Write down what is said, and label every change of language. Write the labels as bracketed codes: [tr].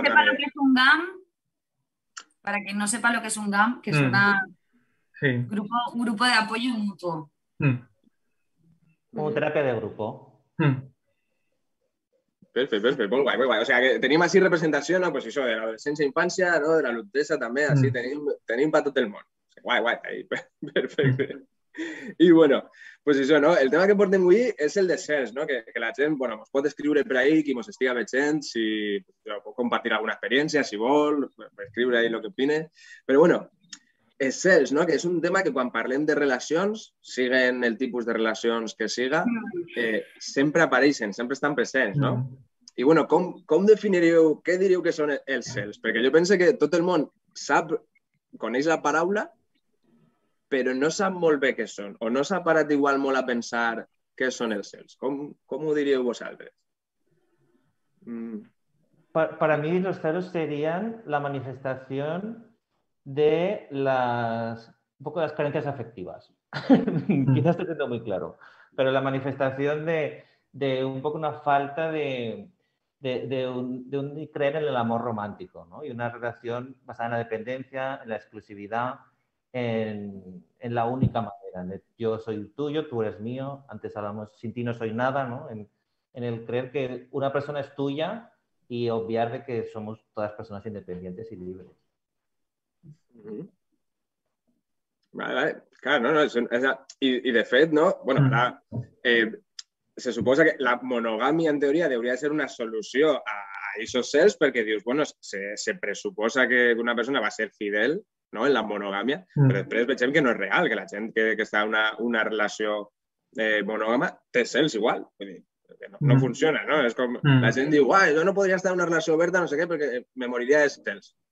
[es] Que no sepa lo que es un GAM, para que no sepa lo que es un GAM, que es una grupo de apoyo mutuo. Como terapia de grupo. Perfecto, muy guay, muy guay. O sea, que tenim así representación, ¿no? Pues eso, de la adolescencia e infancia, ¿no? De la adultesa también, así, tenim para todo el mundo. [ca] Guay, guay, ahí, perfecto. I, bueno, pues això, no? El tema que portem avui és el de cels, no? Que la gent, bueno, mos pot escriure per ahí, qui mos estiga veient, si pot compartir alguna experiència, si vol, escriure ahí lo que opine. Però, bueno, els cels, no? Que és un tema que quan parlem de relacions, siguen el tipus de relacions que siga, sempre apareixen, sempre estan presents, no? I, bueno, com definiríeu, què diríeu que són els cels? Perquè jo penso que tot el món sap, coneix la paraula, però no sap molt bé què són, o no s'ha parat igual molt a pensar què són els cels. Com ho diríeu vosaltres? Per a mi, els cels serien la manifestació de les... un poc de les carències afectives. [es] Quizás te tengo muy claro. [ca] Però la manifestació de un poc una falta de un creer en l'amor romàntico, ¿no? [es] Y una relació basada en la dependència, en la exclusivitat, en la única manera, yo soy tuyo, tú eres mío, antes hablamos, sin ti no soy nada, ¿no? En el creer que una persona es tuya y obviar de que somos todas personas independientes y libres. Vale, vale, claro, no, y de fet, ¿no? Bueno, se suposa que la monogamia, en teoría, debería ser una solución a esos cels, porque dius, bueno, se presuposa que una persona va a ser fidel, ¿no? [ca] En la monogamia, però després veiem que no és real, que la gent que està en una relació monògama té cels igual, vull dir, no funciona, no? És com, la gent diu, uah, jo no podria estar en una relació oberta, no sé què, perquè me moriria de cels.